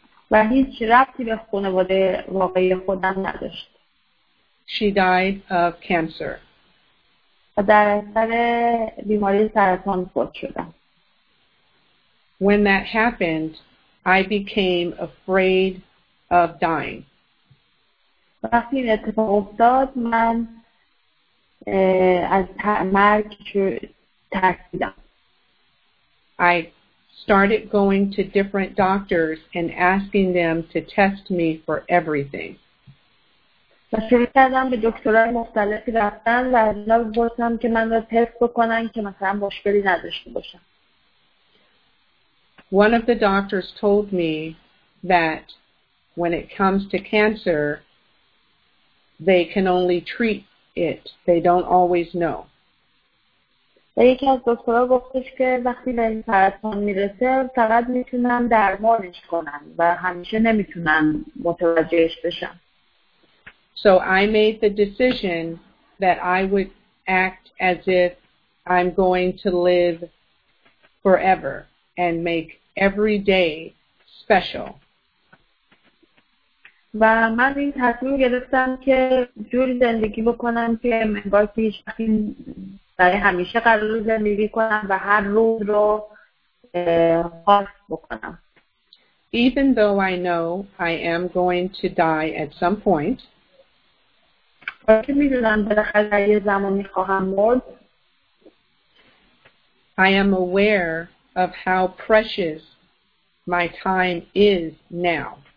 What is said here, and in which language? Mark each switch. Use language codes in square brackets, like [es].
[fa] و هیچ ربطی به خانواده واقعی خودم نداشت. [en] She died of cancer. [fa] و در اثر بیماری سرطان فوت شدم. [en] When that happened, I became afraid of dying. [fa] وقتی این اتفاق افتاد من از مرگ ترسیدم. [en] I started going to different doctors and asking them to test me for everything. [fa] شروع کردم به دکترهای مختلفی رفتن و اینا بپرسم که من رو تست بکنن که مثلا مشکلی نداشته باشم. [en] One of the doctors told me that when it comes to cancer, they can only treat it. They don't always know. [fa] یکی از دکترها گفتش که وقتی به این سرطان میرسه فقط میتونن درمانش کنن و همیشه نمیتونن متوجهش بشن. [en] So I made the decision that I would act as if I'm going to live forever and make every day special. [fa] و من این تصمیم گرفتم که جوری زندگی بکنم که انگار که هیچ وقتی برای همیشه قرار رو زندگی کنم و هر روز رو خاص بکنم. [en] Even though I know I am going to die at some point, I am aware of how precious my time is now.